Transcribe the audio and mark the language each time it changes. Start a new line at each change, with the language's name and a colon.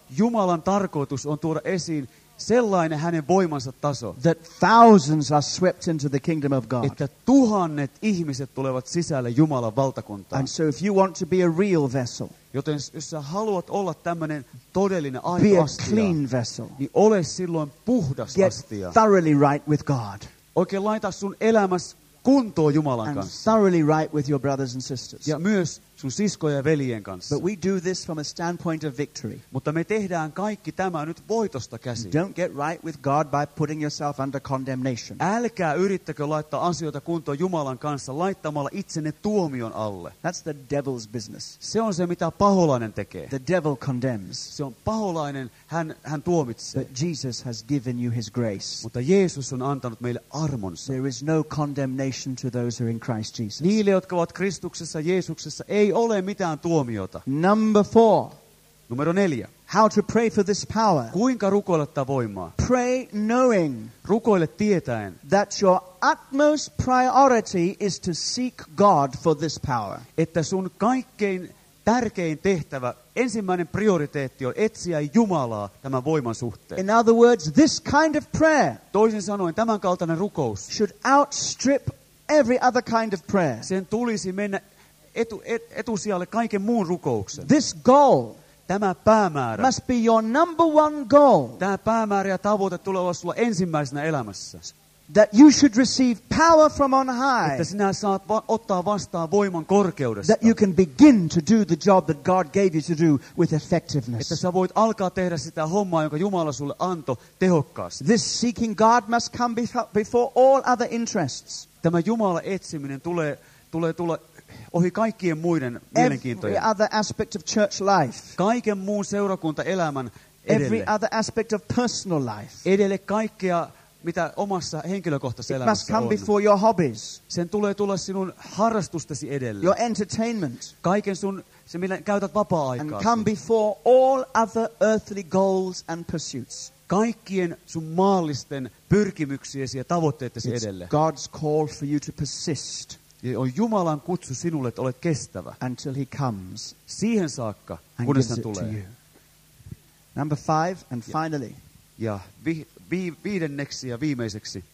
Finnish: Jumalan tarkoitus on tuoda esiin sellainen hänen voimansa taso,
English: that thousands are swept into the kingdom of God,
Finnish: että tuhannet ihmiset tulevat sisälle Jumalan valtakuntaan.
English: And so if you want to be a real vessel,
Finnish: joten jos sä haluat olla tämmöinen todellinen aito astia, vessel, niin ole silloin puhdas
English: get
Finnish: astia,
English: thoroughly right with God,
Finnish: oikein laita sun elämäs kuntoon Jumalan
English: and
Finnish: kanssa,
English: thoroughly right with your brothers and sisters,
Finnish: ja myös sun siskoja ja veljen kanssa.
English: But we do this from a standpoint of victory.
Finnish: Mutta me tehdään kaikki tämä nyt voitosta käsin.
English: Don't get right with God by putting yourself under condemnation.
Finnish: Älkää yrittäkö laittaa asioita kuntoon Jumalan kanssa laittamalla itsenne tuomion alle.
English: That's the devil's business.
Finnish: Se on se, mitä paholainen tekee.
English: The devil condemns.
Finnish: Se on paholainen, hän tuomitsee.
English: But Jesus has given you His grace.
Finnish: Mutta Jeesus on antanut meille armonsa.
English: There is no condemnation to those who are in Christ Jesus.
Finnish: Niille, jotka ovat Kristuksessa Jeesuksessa, ei ole mitään tuomiota.
English: Number four.
Finnish: Numero 4.
English: How to pray for this power.
Finnish: Kuinka rukoilla tätä voimaa?
English: Pray knowing.
Finnish: Rukoile tietäen.
English: That your utmost priority is to seek God for this power.
Finnish: Että sun kaikkein tärkein tehtävä, ensimmäinen prioriteetti on etsiä Jumalaa tämän voiman suhteen.
English: In other words, this kind of prayer.
Finnish: Toisin sanoen tämän kaltainen rukous.
English: Should outstrip every other kind of prayer.
Finnish: Sen tulisi mennä etusijalle kaiken muun rukouksen.
English: This goal,
Finnish: tämä päämäärä,
English: must be your number one goal.
Finnish: Tämä päämäärä ja tavoite tulee olla sulla ensimmäisenä elämässä.
English: That you should receive power from on high.
Finnish: Että sinä saat ottaa vastaan voiman korkeudesta.
English: That you can begin to do the job that God gave you to do with effectiveness.
Finnish: Että sä voit alkaa tehdä sitä hommaa, jonka Jumala sulle antoi tehokkaasti.
English: This seeking God must come before all other interests.
Finnish: Tämä Jumalan etsiminen tulee tulla ohi kaikkien muiden mielenkiintojen.
English: Every other aspect of church life.
Finnish: Kaiken muun seurakuntaelämän edelle.
English: Every other aspect of personal life.
Finnish: Edelle kaikkea, mitä omassa henkilökohtaisessa elämässä on.
English: It must come before your hobbies.
Finnish: Sen tulee tulla sinun harrastustesi edelle.
English: Your entertainment.
Finnish: Kaiken sun, se millä käytät vapaa-aikaa.
English: And come before all other earthly goals and pursuits.
Finnish: Kaikkien sun maallisten pyrkimyksiesi ja tavoitteettesi edelle.
English: God's call for you to persist.
Finnish: Ja on Jumalan kutsu sinulle, että olet kestävä.
English: Until he comes.
Finnish: Siihen saakka, kunnes hän tulee.
English: Number five, and finally.
Finnish: Ja viidenneksi ja viimeiseksi.